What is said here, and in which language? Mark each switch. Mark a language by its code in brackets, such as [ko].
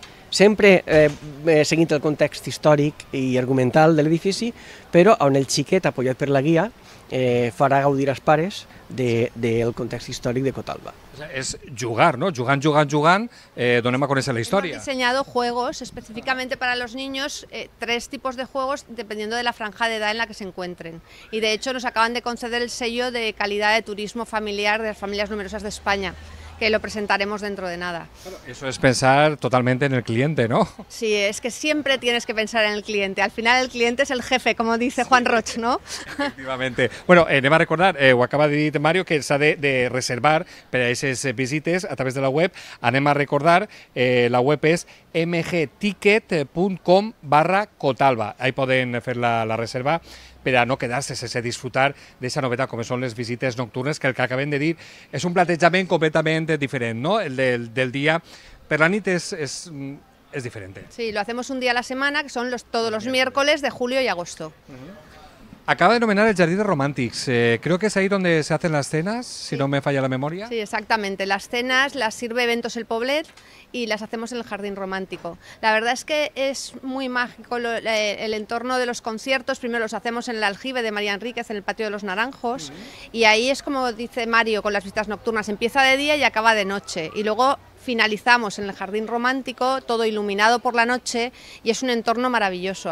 [ca] Sempre seguint el context històric i argumental de l'edifici, però on el xiquet, apoyat per la guia, farà gaudir els pares del context històric de Cotalba. És jugar, no? Jugant, donem a conèixer la història. Hem dissenyat [es] juegos específicamente para los niños, tres tipos de juegos dependiendo de la franja de edad en la que se encuentren. Y de hecho nos acaban de conceder el sello de calidad de turismo familiar de las familias numerosas de España, que lo presentaremos dentro de nada. Eso es pensar totalmente en el cliente, ¿no? Sí, es que siempre tienes que pensar en el cliente. Al final el cliente es el jefe, como dice Juan Roig, ¿no? [ca] Efectivamente. Bueno, anem a recordar, ho acaba de dir Mario, que s'ha de reservar per a aquestes visites a través de la web. Anem a recordar, la web és mgticket.com/cotalba. Ahí poden fer la reserva per a no quedar-se sense disfrutar d'aquesta novetat, com són les visites nocturnes, que el que acabem de dir és un plantejament completament diferent, no? El del dia per la nit és diferent. [es] Sí, lo hacemos un día a la semana, que son todos los miércoles de julio y agosto. [ca] Acaba de nomenar [es] el Jardí de Romantics, creo que es ahí donde se hacen las cenas, sí. Si no me falla la memoria. Sí, exactamente, las cenas las sirve Eventos El Poblet y las hacemos en el Jardín Romántico. La verdad es que es muy mágico el entorno de los conciertos, primero los hacemos en el aljibe de María Enríquez, en el Patio de los Naranjos, y ahí es como dice Mario con las vistas nocturnas, empieza de día y acaba de noche, y luego finalizamos en el Jardín Romántico, todo iluminado por la noche, y es un entorno maravilloso.